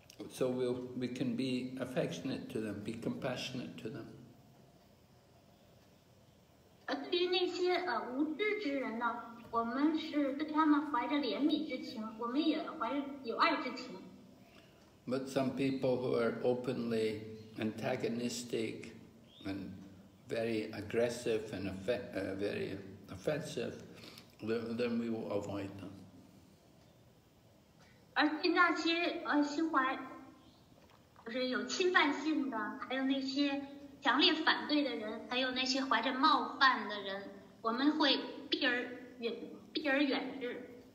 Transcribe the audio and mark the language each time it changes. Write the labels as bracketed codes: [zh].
[en] So we can be affectionate to them, be compassionate to them. [zh] 对于那些无知之人呢，我们是对他们怀着怜悯之情，我们也怀有爱之情。 [en] But some people who are openly antagonistic and very aggressive and very offensive, then we will avoid them. [zh] 而对那些心怀就是有侵犯性的，还有那些强烈反对的人，还有那些怀着冒犯的人，我们会避而远之。